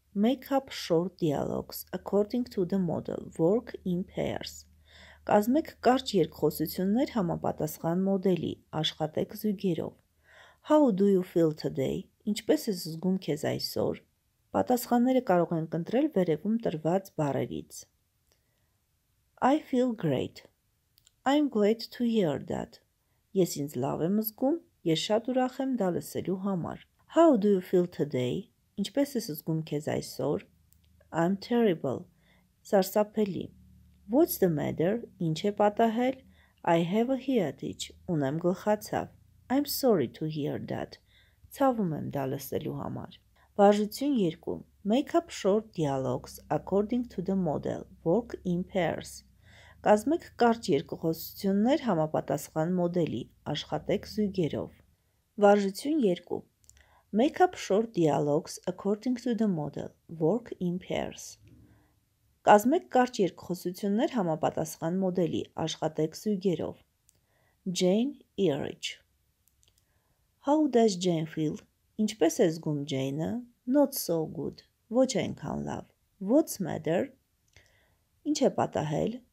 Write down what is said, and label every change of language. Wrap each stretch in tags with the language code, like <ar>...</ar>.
<en>Make up short dialogues according to the model. Work in pairs.</en> <hy>Կազմեք կարճ երկխոսություններ համապատասխան մոդելի, աշխատեք զույգերով.</hy> <en>How do you feel today?</en> <hy>Ինչպես ես զգում քեզ այսօր? Պատասխանները կարող ենք ընտրել վերևում տրված բառերից.</hy> <en>I feel great. I'm glad to hear that.</en> <hy>Ես ինձ լավ եմ զգում, ես շատ ուրախ եմ դա լսելու համար.</hy> <en>How do you feel today?</en> <hy>Ինչպես ես զգում քեզ այսօր?</hy> <en>I'm terrible.</en> <hy>Սարսափելի.</hy> <en>What's the matter?</en> <hy>Ինչ է պատահել?</hy> <en>I have a headache.</en> <hy>Ունեմ գլխացավ.</hy> <en>I'm sorry to hear that.</en> <hy>Ցավում եմ դա լսելու համար. Բաժություն 2.</hy> <en>Make up short dialogues according to the model. Work in pairs.</en> <hy>Կազմեք կարճ երկխոսություններ համապատասխան մոդելի, աշխատեք զույգերով. Բաժություն 2.</hy> <en>Make up short dialogues according to the model. Work in pairs.</en> <hy>Կազմեք կարճ երկխոսություններ համապատասխան մոդելի, աշխատեք զույգերով.</hy> <en>Jane Erich. How does Jane feel?</en> <hy>Ինչպես է զգում Jane-ը?</hy> <en>Not so good.</en> <hy>Ոչ այնքան լավ.</hy> <en>What's matter?</en> <hy>Ինչ է պատահել?</hy>